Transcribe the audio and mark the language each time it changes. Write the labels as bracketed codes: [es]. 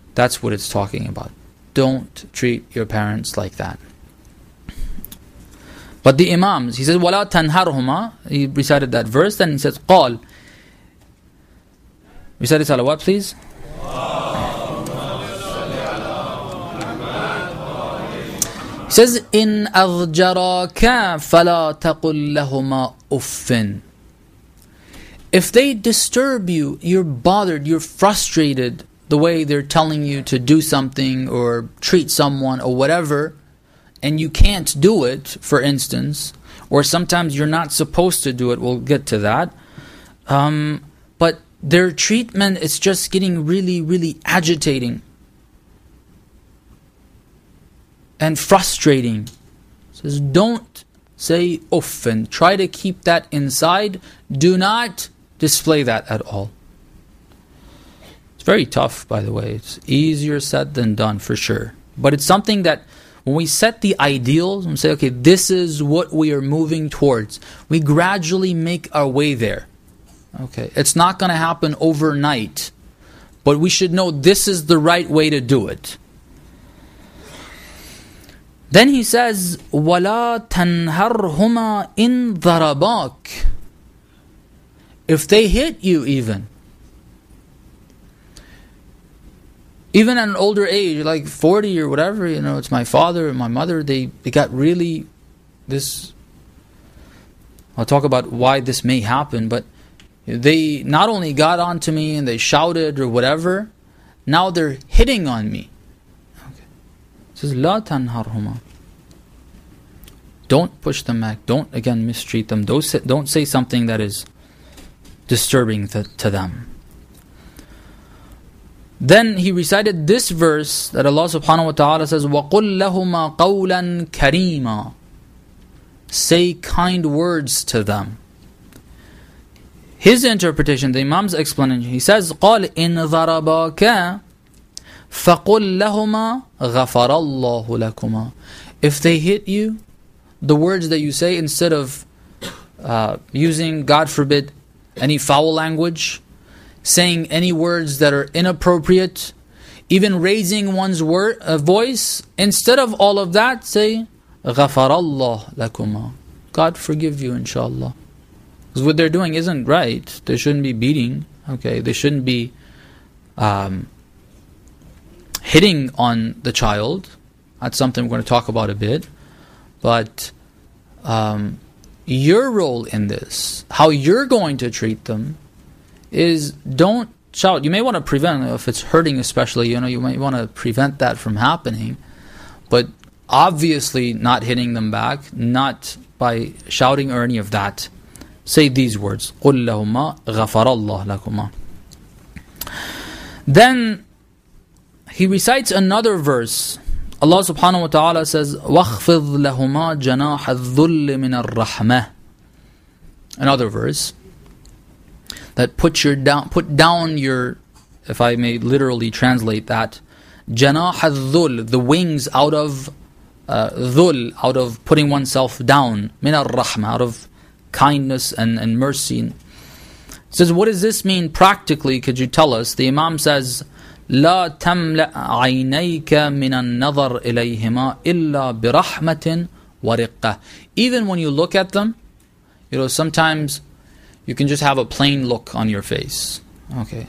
[en] That's what it's talking about. Don't treat your parents like that. But the imams, he says, [ar] وَلَا تَنْهَرْهُمَا. [en] He recited that verse, then he says, [ar] قَال. [en] Recite the salawat, please. He says, [ar] إِنْ أَغْجَرَاكَ فَلَا تَقُلْ لَهُمَا أُفٍّ. [en] If they disturb you, you're bothered, you're frustrated, the way they're telling you to do something or treat someone or whatever, and you can't do it, for instance, or sometimes you're not supposed to do it, we'll get to that. But their treatment is just getting really, really agitating and frustrating. It says, don't say often. Try to keep that inside. Do not display that at all. It's very tough, by the way. It's easier said than done, for sure. But it's something that when we set the ideals and say, okay, this is what we are moving towards, we gradually make our way there. Okay, it's not going to happen overnight, but we should know this is the right way to do it. Then he says, [ar] وَلَا تَنْهَرْهُمَا إِنْ ضَرَبَاكَ. [en] If they hit you even, even at an older age, like 40 or whatever, you know, it's my father and my mother, they got really this. I'll talk about why this may happen, but They not only got onto me and they shouted or whatever, now they're hitting on me. Okay. It says, [ar] لَا تَنْهَرْهُمَا. [en] Don't push them back. Don't, again, mistreat them. Don't say something that is disturbing to them. Then he recited this verse that Allah subhanahu wa ta'ala says, [ar] وَقُلْ لَهُمَا قَوْلًا كَرِيمًا. [en] Say kind words to them. His interpretation, the Imam's explanation, he says, [ar] قَالْ إِنْ ذَرَبَاكَ فَقُلْ لَهُمَا غَفَرَ اللَّهُ لَكُمَا. [en] If they hit you, the words that you say, instead of using, God forbid, any foul language, saying any words that are inappropriate, even raising one's voice, instead of all of that, say, [ar] غَفَرَ اللَّهُ لَكُمَا. [en] God forgive you, inshallah. Because what they're doing isn't right. They shouldn't be beating. Okay, they shouldn't be hitting on the child. That's something we're going to talk about a bit. But your role in this, how you're going to treat them, is don't shout. You may want to prevent, if it's hurting especially, you know, you might want to prevent that from happening. But obviously not hitting them back, not by shouting or any of that. Say these words, [ar] قُلْ لَهُمَا غَفَرَ اللَّهُ لَكُمَا. [en] Then he recites another verse. [ar] Allah subhanahu wa ta'ala [en] says, [ar] وَخْفِضْ لَهُمَا جَنَاحَ الذُّلِّ مِنَ الرَّحْمَةِ. [en] Another verse. That put down your, if I may literally translate that, [ar] جَنَاحَ الذُّلِّ, [en] the wings out of ذُلْ, out of putting oneself down, [ar] مِنَ الرَّحْمَةِ, [en] out of kindness and mercy. It says, what does this mean practically? Could you tell us? The Imam says, [ar] لَا تَمْلَأْ عَيْنَيْكَ مِنَ النَّظَرِ إِلَيْهِمَا إِلَّا بِرَحْمَةٍ وَرِقَّةٍ. [en] Even when you look at them, you know, sometimes you can just have a plain look on your face. Okay.